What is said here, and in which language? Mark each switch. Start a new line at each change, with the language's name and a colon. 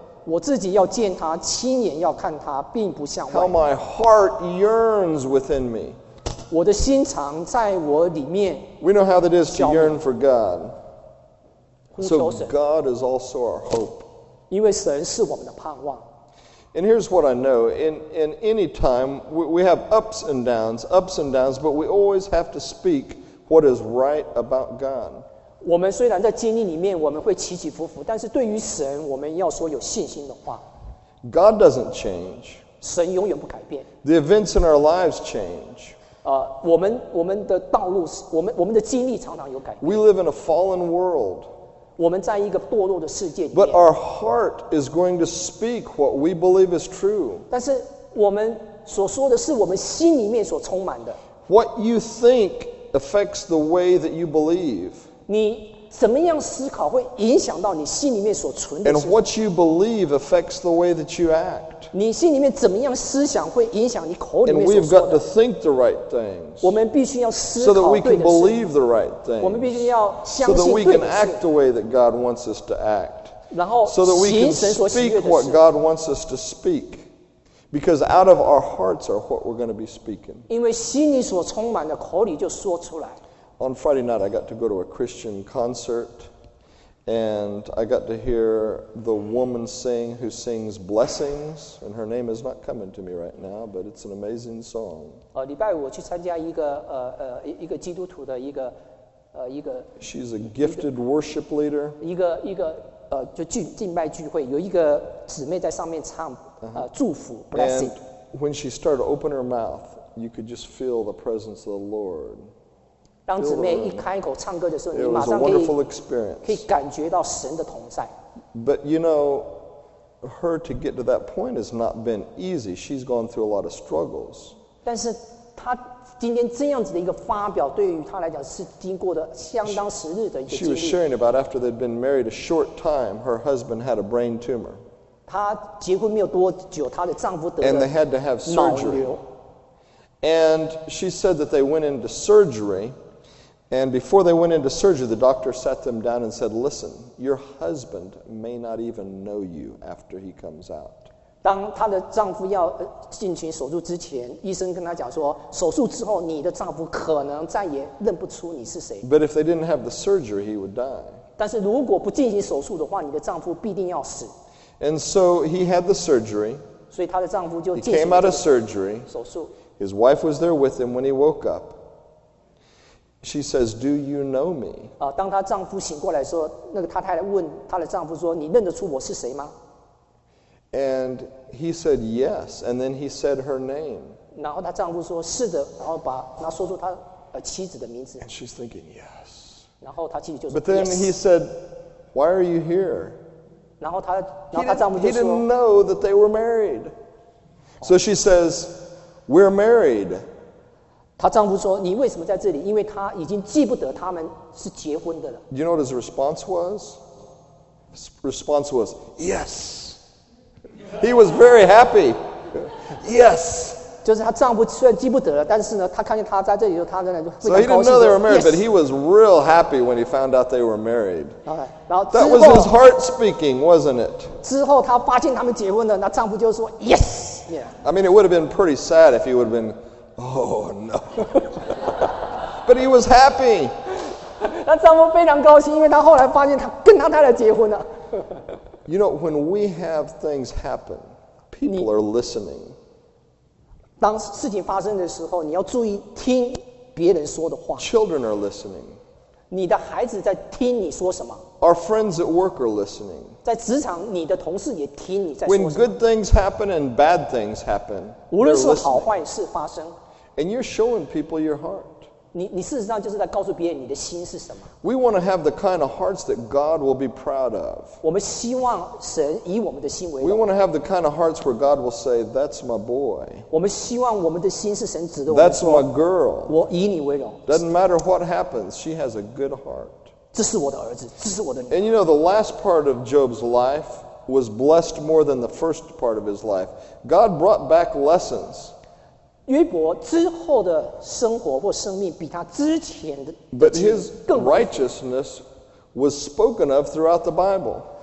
Chinese: 我自己要见他，亲眼要看他，并不像外
English: 人。How my heart yearns within me.
Chinese: 我的心肠在我里面。
English: We know how that is to yearn for God. So God is also our hope.
Chinese: 因为神是我们的盼望。
English: And here's what I know. In any time, we have ups and downs, but we always have to speak what is right about God.
Chinese: 我们虽然在经历里面我们会起起伏伏，但是对于神我们要说有信心的话。
English: God doesn't change.
Chinese: 神永远不改变。
English: The events in our lives change.
Chinese: 我们的道路，我们的经历常常有改变。
English: We live in a fallen world.
Chinese: 我们在一个堕落的世界里面。
English: But our heart is going to speak what we believe is true.
Chinese: 但是我们所说的是我们心里面所充满的。
English: What you think affects the way that you believe.
Chinese: 你怎么样思考会影响到你心里面所存的。
English: And what you believe affects the way that you act.
Chinese: 你心里面怎么样思想会影响你口里面所说的。
English: And we've got to think the right things.
Chinese: 我们必须要思考对的事。
English: So that we can believe the right things.
Chinese: 我们必须要相信对的事。
English: So that we can act the way that God wants us to act.
Chinese: 然后行神所喜悦的事。
English: So that we can speak what God wants us to speak. Because out of our hearts are what we're going to be speaking.
Chinese: 因为心里所充满的，口里就说出来。
English: On Friday night, I got to go to a Christian concert, and I got to hear the woman sing who sings blessings, and her name is not coming to me right now, but it's an amazing song.
Chinese: 礼拜五我去参加一个基督徒的一个。
English: She's a gifted worship leader.
Chinese: 一个就敬拜聚会，有一个姊妹在上面唱。祝福 blessing.
English: And when she started to open her mouth, you could just feel the presence of the Lord.
Chinese: 当姊妹一开口唱歌的时候，你马上可以。
English: It was a wonderful experience.
Chinese: 可以感觉到神的同在。
English: But you know, her to get to that point has not been easy. She's gone through a lot of struggles.
Chinese: 但是她今天这样子的一个发表，对于她来讲是经过的相当时日的一个经历。
English: She was sharing about after they'd been married a short time, her husband had a brain tumor.
Chinese: 她结婚没有多久，她的丈夫得了脑瘤。
English: And they had to have surgery. And she said that they went into surgery, and before they went into surgery, the doctor sat them down and said, "Listen, your husband may not even know you after he comes out."
Chinese: 当她的丈夫要进行手术之前，医生跟她讲说，手术之后你的丈夫可能再也认不出你是谁。
English: But if they didn't have the surgery, he would die.
Chinese: 但是如果不进行手术的话，你的丈夫必定要死。
English: And so he had the surgery. So his husband just he came out of surgery. His wife was there with him when he woke up. She says, "Do you know me?" When her husband woke up, the wife asked her husband, "Do you recognize me?" And he said, "Yes." And then he said her name. Then her husband said, "Yes." And then he said her name. And she's thinking, "Yes." Then her husband said, "Yes." But then he said, "Why are you here?" He didn't know that they were married. So she says, "We're married."
Chinese: 她丈夫说，你为什么在这里？因为他已经记不得他们是结婚的了。
English: Do you know what his response was? His response was, "Yes." He was very happy. Yes.
Chinese: 就是她丈夫虽然记不得了，但是呢，她看见他在这里，她真的就非常高兴。
English: So he didn't know they were married, but he was real happy when he found out they were married.
Chinese: Okay. 然后
English: That was his heart speaking, wasn't it?
Chinese: 之后她发现他们结婚了，那丈夫就说 Yes.
English: I mean, it would have been pretty sad if he would have been, Oh no. But he was happy.
Chinese: 那丈夫非常高兴，因为他后来发现他跟他太太结婚了。
English: You know, when we have things happen, people are listening.
Chinese: 当事情发生的时候，你要注意听别人说的话。
English: Children are listening.
Chinese: 你的孩子在听你说什么。
English: Our friends at work are listening.
Chinese: 在职场，你的同事也听你在说什么。
English: When good things happen and bad things happen,
Chinese: 无论是好坏事发生。
English: And you're showing people your heart. We want to have the kind of hearts that God will be proud of. We want to have the kind of hearts where God will say, that's my boy. That's my girl.
Chinese: 我以你为荣.
English: Doesn't matter what happens, she has a good heart.
Chinese: 这是我的儿子,
English: and you know, the last part of Job's life was blessed more than the first part of his life. God brought back lessons.
Chinese: 约伯之后的生活或生命比他之前的,
English: but his righteousness was spoken of throughout the Bible.